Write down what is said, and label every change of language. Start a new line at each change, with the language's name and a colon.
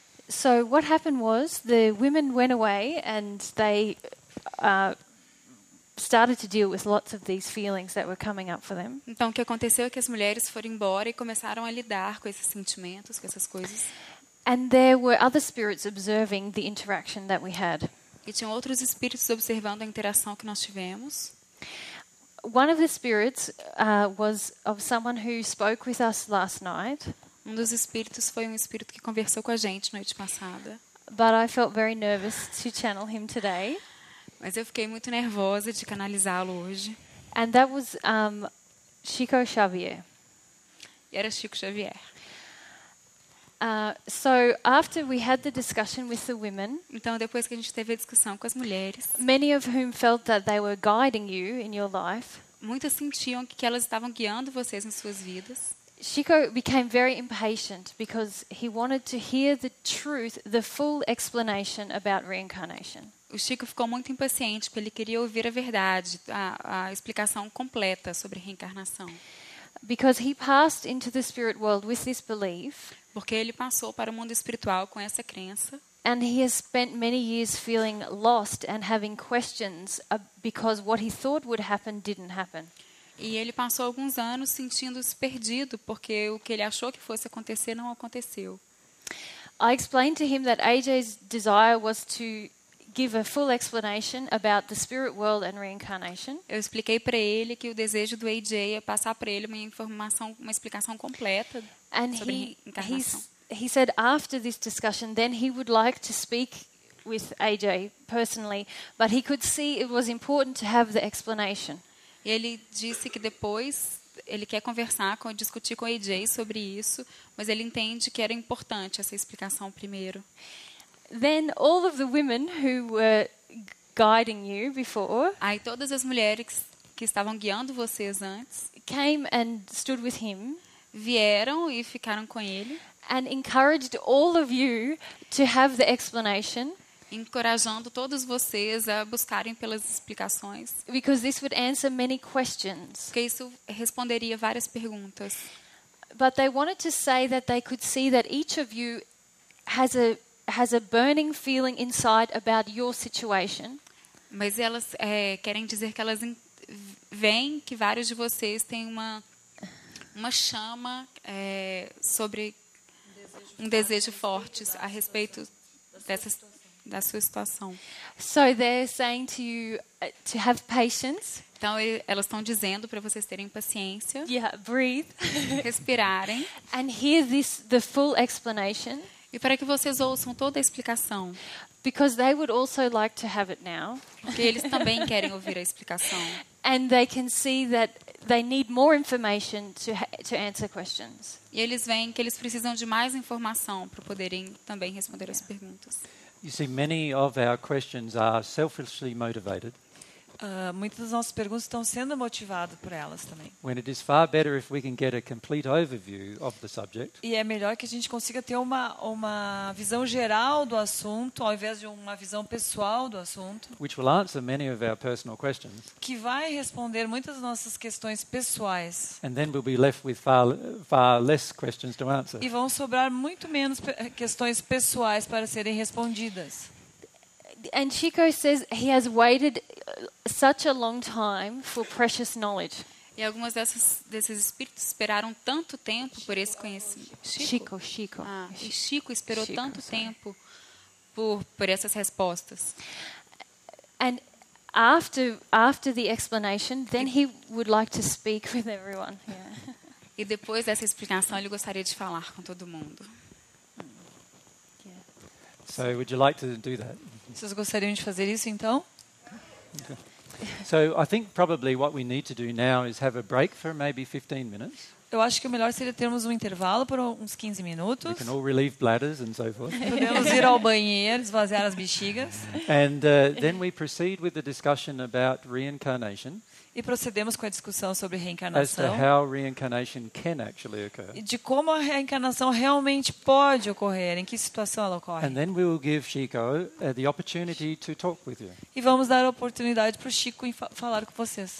English: So what happened was the women went away and they started to deal with lots of these feelings that were coming up for them.
Portuguese: Então o que aconteceu é que as mulheres foram embora e começaram a lidar com esses sentimentos, com essas coisas.
English: And there were other spirits observing the interaction that we had.
Portuguese: E tinham outros espíritos observando a interação que nós tivemos.
English: One of the spirits was of someone who spoke with us last night.
Portuguese: Um dos espíritos foi um espírito que conversou com a gente noite passada.
English: But I felt very nervous to channel him today.
Portuguese: Mas eu fiquei muito nervosa de canalizá-lo hoje.
English: And that was Chico Xavier.
Portuguese: E era Chico Xavier.
English: So after we had the discussion with the women,
Portuguese: então depois que a gente teve a discussão com as mulheres,
English: many of whom felt that they were guiding you in your life,
Portuguese: muitas sentiam que elas estavam guiando vocês em suas vidas.
English: Chico became very impatient because he wanted to hear the truth, the full explanation about reincarnation.
Portuguese: O Chico ficou muito impaciente porque ele queria ouvir a verdade, a explicação completa sobre reencarnação.
English: Because he passed into the spirit world with this belief.
Portuguese: Porque ele passou para o mundo espiritual com essa crença.
English: And he has spent many years feeling lost and having questions because what he thought would happen didn't happen.
Portuguese: E ele passou alguns anos sentindo-se perdido porque o que ele achou que fosse acontecer não aconteceu.
English: I explained to him that AJ's desire was to give a full explanation about the spirit world and reincarnation.
Portuguese: Eu expliquei para ele que o desejo do AJ é passar para ele uma explicação completa.
English: And he said after this discussion then he would like to speak with AJ personally, but he could see it was important to have the explanation.
Portuguese: Ele disse que depois ele quer conversar com discutir com AJ sobre isso, mas ele entende que era importante essa explicação primeiro.
English: Then all of the women who were guiding you before,
Portuguese: aí todas as mulheres que estavam guiando vocês antes,
English: came and stood with him.
Portuguese: Vieram e ficaram com ele.
English: And encouraged all of you to have the explanation.
Portuguese: Encorajando todos vocês a buscarem pelas explicações.
English: Because this would answer many questions.
Portuguese: Porque isso responderia várias perguntas.
English: But they wanted to say that they could see that each of you has a burning feeling inside about your situation.
Portuguese: Mas elas querem dizer que elas veem que vários de vocês têm uma uma chama sobre um desejo forte a respeito da sua situação.
English: So they're saying to you to have patience.
Portuguese: Então elas estão dizendo para vocês terem paciência.
English: Yeah, breathe.
Portuguese: Respirarem.
English: And hear this, the full explanation.
Portuguese: E para que vocês ouçam toda a explicação.
English: Because they would also like to have it now.
Portuguese: Porque eles também querem ouvir a explicação.
English: And they can see that they need more information to answer questions.
Portuguese: E eles veem que eles precisam de mais informação para poderem também responder as perguntas.
English: You see, many of our questions are selfishly motivated.
Portuguese: Muitas das nossas perguntas estão sendo motivadas por elas também.
English: When it is far better if we can get a complete overview of the subject.
Portuguese: E é melhor que a gente consiga ter uma visão geral do assunto, ao invés de uma visão pessoal do assunto.
English: Which will answer many of our personal questions.
Portuguese: Que vai responder muitas das nossas questões pessoais.
English: And then we'll be left with far less questions to answer.
Portuguese: E vão sobrar muito menos questões pessoais para serem respondidas.
English: And Chico says he has waited such a long time for precious knowledge.
Portuguese: E algumas desses espíritos esperaram tanto tempo por esse conhecimento.
English: Chico.
Portuguese: Ah, e Chico esperou Chico, tanto tempo por essas respostas.
English: And after the explanation, then he would like to speak with everyone. Yeah.
Portuguese: E depois dessa explicação, ele gostaria de falar com todo mundo.
English: So would you like to do that?
Portuguese: Vocês gostariam de fazer isso então?
English: So I think probably what we need to do now is have a break for maybe 15 minutes.
Portuguese: Eu acho que o melhor seria termos um intervalo por uns 15 minutos.
English: We can all relieve bladders and so forth.
Portuguese: Podemos ir ao banheiro, esvaziar as bexigas.
English: And then we proceed with the discussion about reincarnation.
Portuguese: E procedemos com a discussão sobre reencarnação.
English: As to how reincarnation can actually occur.
Portuguese: E de como a reencarnação realmente pode ocorrer, em que situação ela ocorre.
English: And then we will give Chico the opportunity to talk with you.
Portuguese: E vamos dar a oportunidade para o Chico falar com vocês.